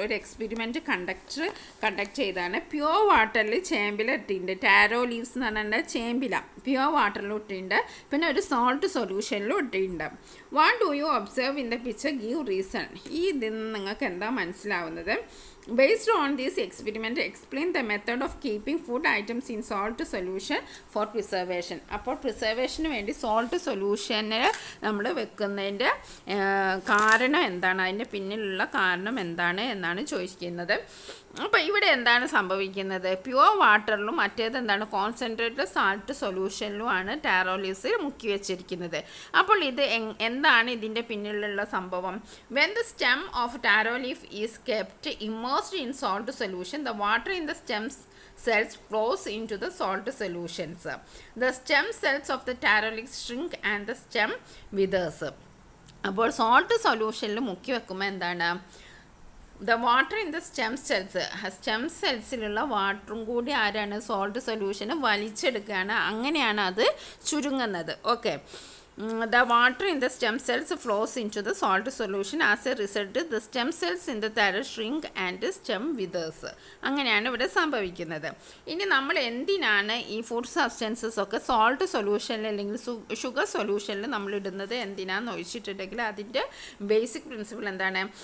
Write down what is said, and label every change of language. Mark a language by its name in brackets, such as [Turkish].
[Malayalam] ഒരു experiment conduct ചെയ്താണ് pure വാട്ടറിൽ ചേമ്പില ഇട്ടിട്ട്, ടാരോ ലീവ്സ് എന്ന് പറഞ്ഞാൽ ചേമ്പില, പ്യുവർ വാട്ടറിൽ ഇട്ടിട്ട് പിന്നെ ഒരു സോൾട്ട് സൊല്യൂഷനിലും ഇട്ടിട്ടുണ്ട്. [English] What do you observe in the picture, give reason. [Malayalam] ഈ ഇതിൽ നിന്ന് നിങ്ങൾക്ക് എന്താ മനസ്സിലാവുന്നത്? [English] Based on this experiment, explain the method of keeping food items in salt solution for preservation. [Malayalam] അപ്പോൾ പ്രിസർവേഷന് വേണ്ടി സോൾട്ട് സൊല്യൂഷനിൽ നമ്മൾ വെക്കുന്നതിൻ്റെ കാരണം എന്താണ്, അതിൻ്റെ പിന്നിലുള്ള കാരണം എന്താണ് എന്നാണ് ചോദിക്കുന്നത്. അപ്പോൾ ഇവിടെ എന്താണ് സംഭവിക്കുന്നത്? പ്യുവർ വാട്ടറിലും മറ്റേത് എന്താണ്, കോൺസെൻട്രേറ്റഡ് സോൾട്ട് സൊല്യൂഷനിലുമാണ് ടാരോ ലീവ്സ് മുക്കി വെച്ചിരിക്കുന്നത്. അപ്പോൾ ഇത് എന്താണ് ഇതിൻ്റെ പിന്നിലുള്ള സംഭവം? [English] When the stem of taro leaf is kept immersed in salt solution, the water in the stems cells flows into the salt solutions. The stem cells of the taro leaf shrink and the stem withers. [Malayalam] അപ്പോൾ salt solutionൽ മുക്കി വെക്കുമ്പോൾ എന്താണ്? [English] The water in the stem cells, [Malayalam] stem സെൽസിലുള്ള വാട്ടറും കൂടി ആരാണ്? Salt solution വലിച്ചെടുക്കുകയാണ്, അങ്ങനെയാണ് അത് ചുരുങ്ങുന്നത്. [English] Okay, the water in the stem cells flows into the salt solution, as a result the stem cells in the taro shrink and stem withers. [Malayalam] അങ്ങനെയാണ് ഇവിടെ സംഭവിക്കുന്നത്. ഇനി നമ്മൾ എന്തിനാണ് ഈ ഫുഡ് സബ്സ്റ്റൻസസ് ഒക്കെ സോൾട്ട് സൊല്യൂഷനിൽ അല്ലെങ്കിൽ ഷുഗർ സൊല്യൂഷനിൽ നമ്മൾ ഇടുന്നത് എന്തിനാന്ന് ഒഴിച്ചിട്ടുണ്ടെങ്കിൽ അതിൻ്റെ ബേസിക് പ്രിൻസിപ്പിൾ എന്താണ്?